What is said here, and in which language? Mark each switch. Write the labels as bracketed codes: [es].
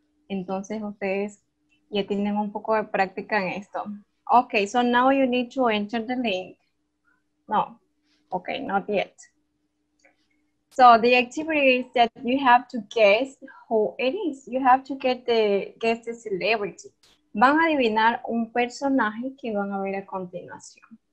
[es] Entonces ustedes ya tienen un poco de práctica en esto. [en] Okay, so now you need to enter the link. No, okay, not yet. So the activity is that you have to guess who it is. You have to guess the celebrity. [es] Van a adivinar un personaje que van a ver a continuación.